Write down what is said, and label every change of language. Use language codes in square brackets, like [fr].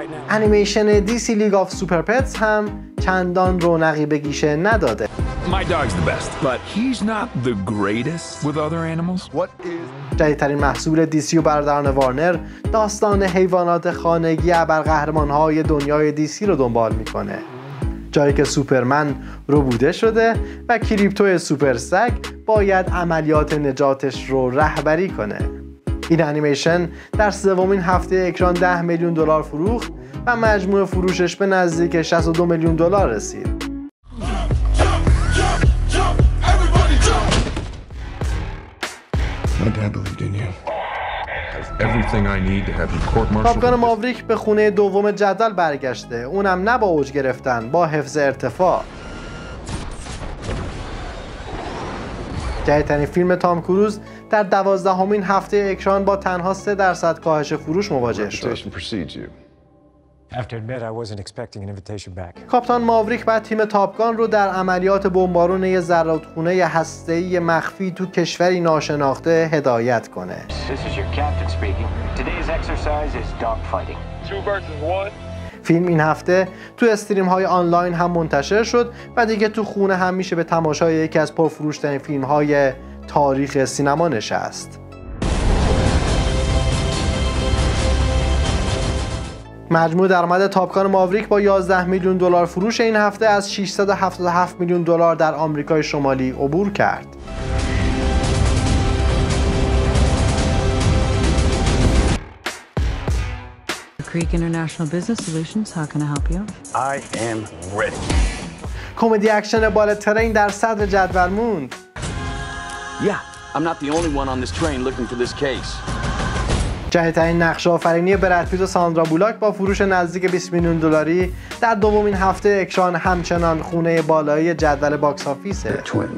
[fa] انیمیشن دیسی لیگ آف سوپر پتس هم چندان رونقی به گیشه نداده. [en] My dog's the best, but he's not the greatest with other animals. What is [fa] جدیدترین محصول DC و برادران وارنر داستان حیوانات خانگی ابرقهرمان‌های دنیای DC رو دنبال می‌کنه. جایی که سوپرمن روبوده شده و کریپتو سوپر سگ باید عملیات نجاتش رو رهبری کنه. این انیمیشن در سومین هفته اکران 10 میلیون دلار فروخت و مجموع فروشش به نزدیک 62 میلیون دلار رسید. [en] My dad believed in you. Everything I need to have you court-martialed. [fa] Top Gun Maverick به خونه دوم جدول برگشته. اونم نه با اوج گرفتن، با حفظ ارتفاع. جدیدترین فیلم تام کروز در [en] 12th [fa] هفته اکران با تنها 3% کاهش فروش مواجه شد. [en] After admit I wasn't expecting an invitation back. [fa] کاپتان ماوریک و تیم تاپگان رو در عملیات بمبارون یه زرادخونه هسته‌ای مخفی تو کشوری ناشناخته هدایت کنه. [en] This is your captain speaking. Today's exercise is dogfighting. Two versus one. [fa] فیلم این هفته تو استریم‌های آنلاین هم منتشر شد و دیگه تو خونه هم میشه به تماشای یکی از پرفروش‌ترین فیلم‌های تاریخ سینما نشست. مجموع درآمد تاپگان ماوریک با 11 میلیون دلار فروش این هفته از 677 میلیون دلار در آمریکای شمالی عبور کرد. [en] Creek International Business Solutions, how can I help you? I am ready. [fa] کمدی اکشن بالاترین در صدر جدول موند. [en] Yeah, I'm not the only one on this train looking for this case. [fa] جدیدترین نقش آفرینی براد پیت و ساندرا بولاک با فروش نزدیک 20 میلیون دلاری در دومین هفته اکران همچنان خونه بالایی جدول باکس آفیس است.